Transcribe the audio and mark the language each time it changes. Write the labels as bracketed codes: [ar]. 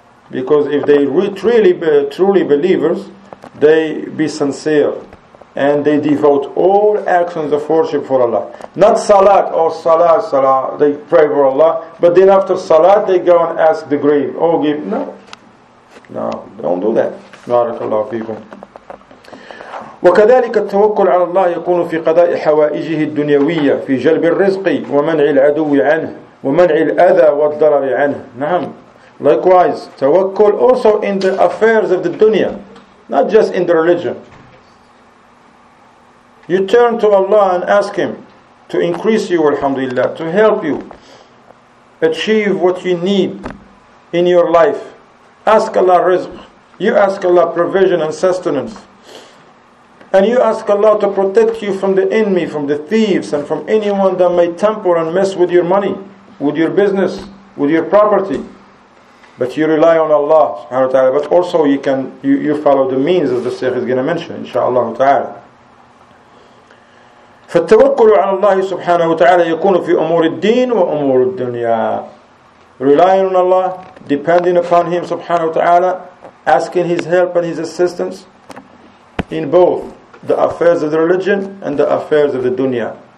[en] Because if they really, truly believers, they be sincere. And they devote all actions of worship for Allah. Not Salat, or Salah, they pray for Allah. But then after Salat, they go and ask the grave, oh, give. No, don't do that. Barakallahu feekum. [ar] وكذلك التوكل على الله يكون في قضاء حوائجه الدنيوية في جلب الرزق ومنع العدو عنه ومنع الأذى والضرر عنه. نعم. [en] Likewise, tawakkul also in the affairs of the dunya, not just in the religion. You turn to Allah and ask Him to increase you, alhamdulillah, to help you achieve what you need in your life. Ask Allah rizq. You ask Allah provision and sustenance. And you ask Allah to protect you from the enemy, from the thieves, and from anyone that may tamper and mess with your money, with your business, with your property. But you rely on Allah subhanahu wa ta'ala. But also you follow the means, as the Shaykh is going to mention, inshaAllah ta'ala. [ar] فالتوكل على الله سبحانه وتعالى يكون في أمور الدين وأمور الدنيا. [en] Relying on Allah, depending upon Him subhanahu wa ta'ala, asking His help and His assistance in both the affairs of the religion and the affairs of the dunya.